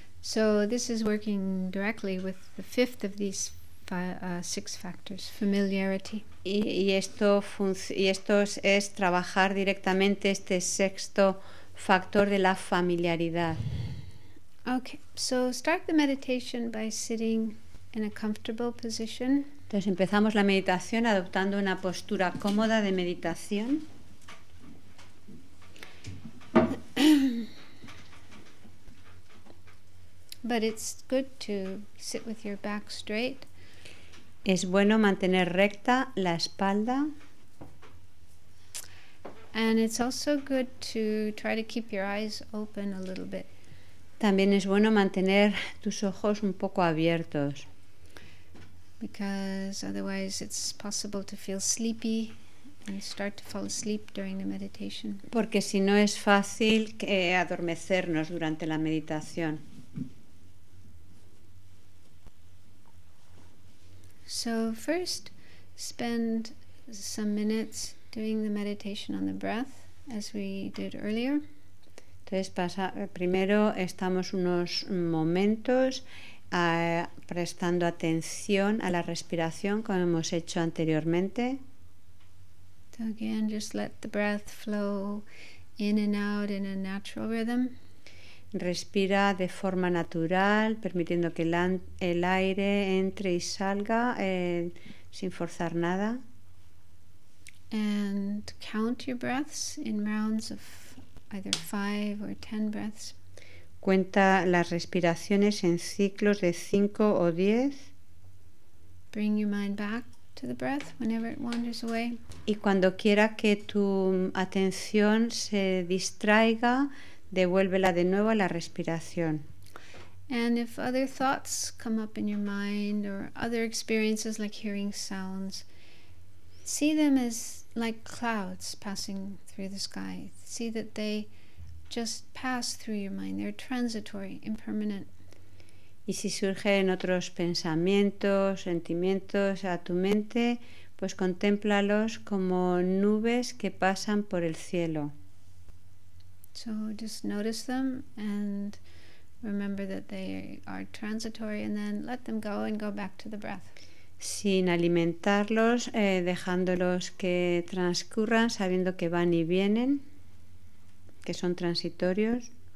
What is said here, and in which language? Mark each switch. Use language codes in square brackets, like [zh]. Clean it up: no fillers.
[en] So this is working directly with the fifth of these six factors, familiarity. [es] Y esto es trabajar directamente este sexto factor de la familiaridad. [en] Okay, so start the meditation by sitting in a comfortable position. [es] Entonces empezamos la meditación adoptando una postura cómoda de meditación. [en] But it's good to sit with your back straight. [es] Es bueno mantener recta la espalda. [en] And it's also good to try to keep your eyes open a little bit. [es] También es bueno mantener tus ojos un poco abiertos. [en] Because otherwise it's possible to feel sleepy and start to fall asleep during the meditation. [es] Porque si no es fácil que adormecernos durante la meditación. [en] So first, spend some minutes doing the meditation on the breath, as we did earlier. [es] Entonces pasa, primero estamos unos momentos prestando atención a la respiración, como hemos hecho anteriormente. [en] So again, just let the breath flow in and out in a natural rhythm. [es] Respira de forma natural, permitiendo que el aire entre y salga sin forzar nada. [en] And count your breaths in rounds of either 5 or 10 breaths. [es] Cuenta las respiraciones en ciclos de 5 o 10. [en] Bring your mind back to the breath whenever it wanders away. [es] Y cuando quiera que tu atención se distraiga, devuélvela de nuevo a la respiración. [en] And if other thoughts come up in your mind or other experiences like hearing sounds, see them as like clouds passing through the sky. See that they just pass through your mind. They're transitory, impermanent. [es] Y si surgen otros pensamientos, sentimientos a tu mente, pues contémplalos como nubes que pasan por el cielo. [en] So just notice them and remember that they are transitory, and then let them go and go back to the breath. [es] Sin alimentarlos, dejándolos que transcurran, sabiendo que van y vienen, que son transitorios.